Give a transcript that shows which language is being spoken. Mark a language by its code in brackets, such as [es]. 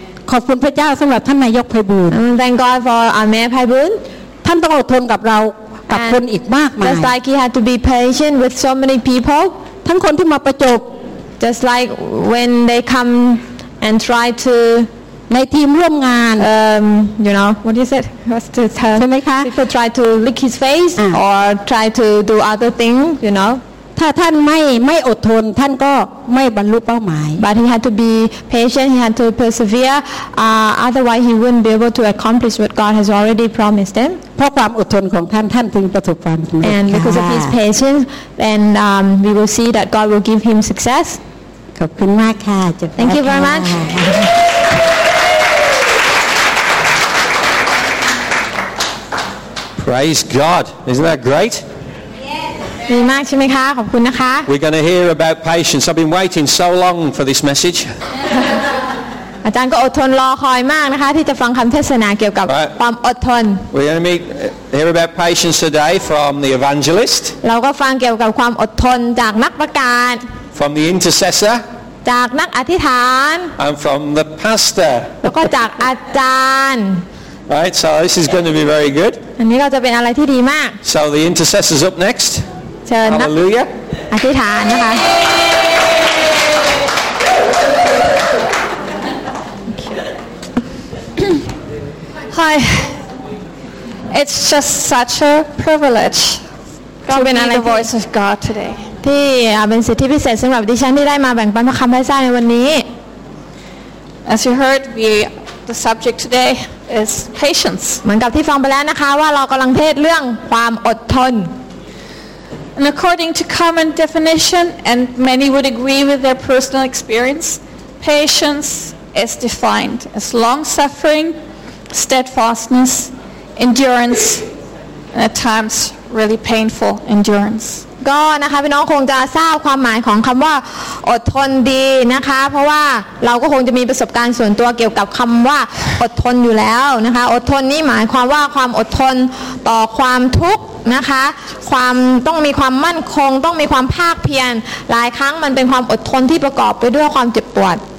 [th] ขอบคุณพระเจ้าสำหรับท่านนายกไพบูลย์ [en] Thank God for our Mayor Phai Bun [th] ท่านต้องอดทนกับเรากับคนอีกมากมาย [en] Just like he had to be patient with so many people [th] ทั้งคนที่มาประจบ [en] Just like when they come and try to [th] ในทีมร่วมงาน [en] you know what is it what's the term [th] ใช่ไหมคะ [en] people try to lick his face or try to do other thing you know [th] ถ้าท่านไม่อดทนท่านก็ไม่บรรลุเป้าหมาย [en] but he had to be patient he had to persevere otherwise he wouldn't be able to accomplish what God has already promised him [th] เพราะความอดทนของท่านท่านถึงประสบความสำเร็จ [en] and because of his patience and we will see that God will give him success [th] ขอบคุณมากค่ะจบ [en] thank you very much Praise God. Isn't that great? [th] ดีมากใช่ไหมคะขอบคุณนะคะ [en] We're going to hear about patience. I've been waiting so long for this message. [th] อาจารย์ก็อดทนรอคอยมากนะคะที่จะฟังคำเทศนาเกี่ยวกับความอดทน [en] We're going to hear about patience today from the evangelist. [th] เราก็ฟังเกี่ยวกับความอดทนจากนักประกาศ [en] From the intercessor. [th] จากนักอธิษฐาน [en] And from the pastor. [th] แล้วก็จากอาจารย์ [en] Right, so this is going to be very good. [th] อันนี้ก็จะเป็นอะไรที่ดีมาก [en] So the intercessors up next. [th] เชิญนะ [en] Hallelujah. [th] อธิษฐานนะคะ [en] Hi. It's just such a privilege to be the voice of God today. [th] ที่เป็นสิทธิพิเศษสำหรับดิฉันที่ได้มาแบ่งปันพระคำพระเจ้าในวันนี้ [en] As you heard, the subject today. Is patience. [th] เหมือนกับที่ฟังไปแล้วนะคะว่าเรากำลังเทศเรื่องความอดทน [en] And according to common definition, and many would agree with their personal experience, patience is defined as long suffering, steadfastness, endurance, and at times really painful endurance. [th] ก็นะคะพี่น้องคงจะทราบความหมายของคำว่าอดทนดีนะคะเพราะว่าเราก็คงจะมีประสบการณ์ส่วนตัวเกี่ยวกับคำว่าอดทนอยู่แล้วนะคะอดทนนี่หมายความว่าความอดทนต่อความทุกข์นะคะความต้องมีความมั่นคงต้องมีความภาคเพียรหลายครั้งมันเป็นความอดทนที่ประกอบไปด้วยความเจ็บปวด